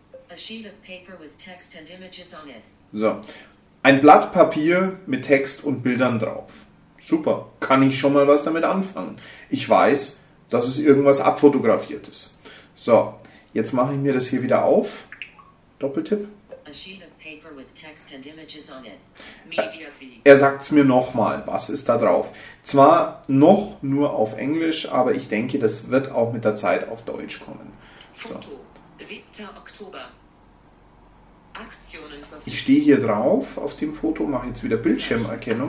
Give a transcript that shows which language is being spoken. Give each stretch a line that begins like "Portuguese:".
English: A sheet of paper with text and images on it.
German: So. Ein Blatt Papier mit Text und Bildern drauf. Super. Kann ich schon mal was damit anfangen? Ich weiß, dass es irgendwas abfotografiert ist. So. Jetzt mache ich mir das hier wieder auf. Doppeltipp.
English: A sheet of paper with text and images on it.
German: Er sagt es mir nochmal, was ist da drauf? Zwar noch nur auf Englisch, aber ich denke, das wird auch mit der Zeit auf Deutsch kommen. So. Foto, 7. Oktober. Aktionen verfügbar. Ich stehe hier drauf auf dem Foto, mache jetzt wieder Bildschirmerkennung.